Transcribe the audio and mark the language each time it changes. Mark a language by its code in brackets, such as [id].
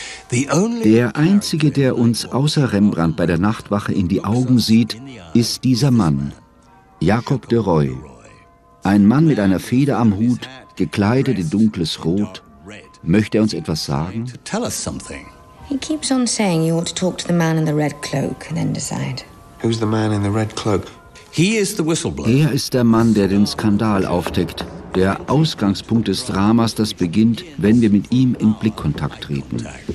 [de] Der Einzige, der uns außer Rembrandt bei der Nachtwache in die Augen sieht, ist dieser Mann, Jakob de Roy. Ein Mann mit einer Feder am Hut, gekleidet in dunkles Rot. Möchte er uns etwas sagen? [en] He keeps on saying you ought to talk to the man in the red cloak and then decide. Who's the man in the red cloak? He is the whistleblower. [de] Er ist der Mann, der den Skandal aufdeckt. Der Ausgangspunkt des Dramas, das beginnt, wenn wir mit ihm in Blickkontakt treten.